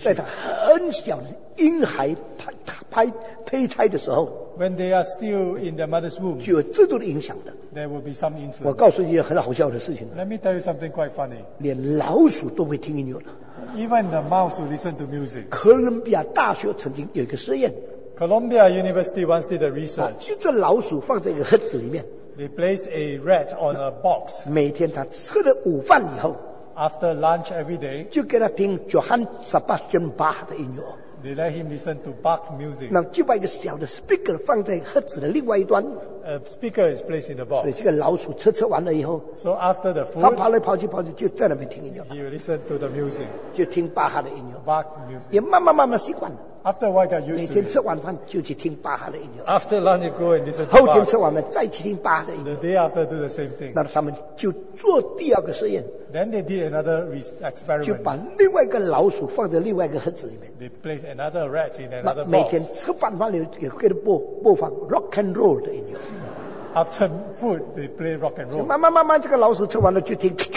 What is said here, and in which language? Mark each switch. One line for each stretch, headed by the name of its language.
Chinese: 在他很小的婴孩胚胎的时候。
English: When they are still in their mother's womb,
Chinese: 具有制度的影响的,
English: there will be some influence.
Chinese: 我告诉你一件很好笑的事情。
English: Let me tell you something quite funny.
Chinese: 连老鼠都会听音乐了。
English: Even the mouse will listen to music.
Chinese: 哥伦比亚大学曾经有一个实验。
English: Columbia University once did a research.
Chinese: 就这老鼠放在一个盒子里面。
English: They place a rat on a box.
Chinese: 每天他吃了午饭以后,
English: after lunch every day,
Chinese: 就给他听 Johann Sebastian Bach的音乐。
English: They let him listen to Bach music.
Chinese: 那就把一个小的 speaker 放在盒子的另外一端。
English: A speaker is placed in the box.
Chinese: 所以这个老鼠吃完了以后，
English: so after the food,
Chinese: 他跑来跑去就在那边听音乐。
English: He will listen to the music.
Chinese: 就听巴哈的音乐。
English: Bach music.
Chinese: 也慢慢习惯了。
English: After a while, got used to it.
Chinese: 每天吃晚饭就去听巴哈的音乐。
English: After lunch, you go and listen to Bach.
Chinese: 后天吃完了再去听巴哈的音乐。
English: The day after, do the same thing.
Chinese: 那他们就做第二个实验。
English: Then they did another experiment.
Chinese: 就把另外一个老鼠放在另外一个盒子里面。
English: They placed another rat in another box.
Chinese: 每天吃饭完了也给它播放 rock and roll 的音乐。
English: After food, they play rock and roll.
Chinese: 慢慢这个老鼠吃完了就听。